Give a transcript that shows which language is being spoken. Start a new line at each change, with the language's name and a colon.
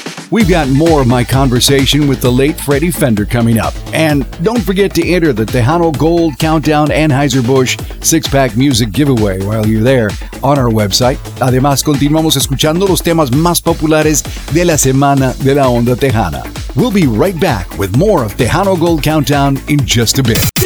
English: We've got more of my conversation with the late Freddie Fender coming up. And don't forget to enter the Tejano Gold Countdown Anheuser-Busch six-pack music giveaway while you're there on our website.
Spanish: Además, continuamos escuchando los temas más populares de la semana de la onda Tejana.
English: We'll be right back with more of Tejano Gold Countdown in just a bit.